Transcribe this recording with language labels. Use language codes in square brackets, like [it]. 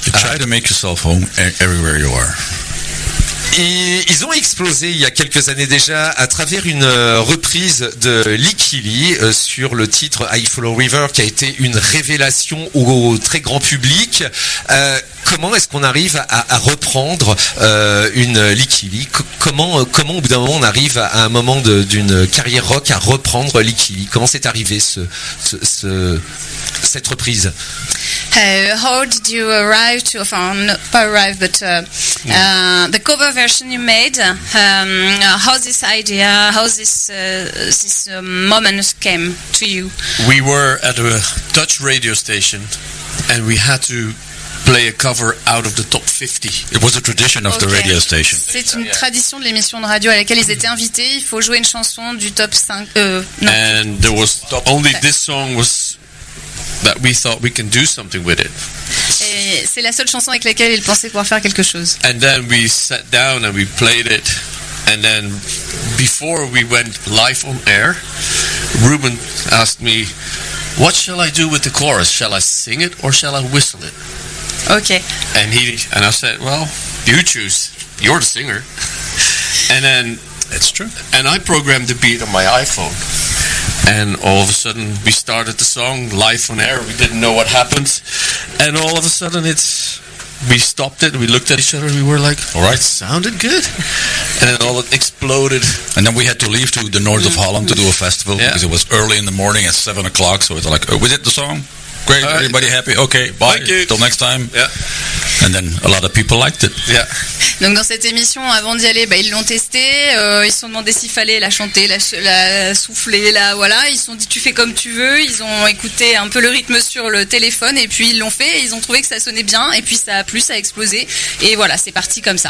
[en] You try to make yourself home everywhere you are. [fr] Et ils ont explosé il y a quelques années déjà à travers une reprise de Likili sur le titre I Follow River, qui a été une révélation au très grand public. Comment est-ce qu'on arrive à reprendre une Likili? Comment au bout d'un moment on arrive à un moment d'une carrière rock à reprendre Likili? Comment c'est arrivé cette reprise? [en] How did you arrive to, the cover version you made? How this idea, how this moment came to you? We were at a Dutch radio station, and we had to play a cover out of the top 50. It was a tradition of the radio station. [fr] C'est une tradition de l'émission de radio à laquelle ils étaient invités. Il faut jouer une chanson du top 5. [en] And there was only this song was. That we thought we can do something with it. [fr] Et c'est la seule chanson avec laquelle ils pensaient pouvoir faire quelque chose. [en] And then we sat down and we played it, and then before we went live on air, Ruben asked me, "What shall I do with the chorus? Shall I sing it or shall I whistle it?" Okay. And he and I said, "Well, you choose. You're the singer." And then that's true. And I programmed the beat on my iPhone. And all of a sudden, we started the song live on air. We didn't know what happened. And all of a sudden, we stopped it. We looked at each other. We were like, all right, sounded good. And then all it exploded. And then we had to leave to the north of Holland to do a festival. Yeah. Because it was early in the morning at 7 o'clock. So it's like, oh, we did the song. Great. All right. Everybody happy. Okay. Bye. Thank you. Till next time. Yeah. And then a lot of people liked it. Yeah. [fr] Donc dans cette émission, avant d'y aller, bah, ils l'ont testé, ils se sont demandé s'il fallait la chanter, la souffler, voilà. Ils se sont dit tu fais comme tu veux, ils ont écouté un peu le rythme sur le téléphone et puis ils l'ont fait, ils ont trouvé que ça sonnait bien et puis ça a plu, ça a explosé et voilà, c'est parti comme ça.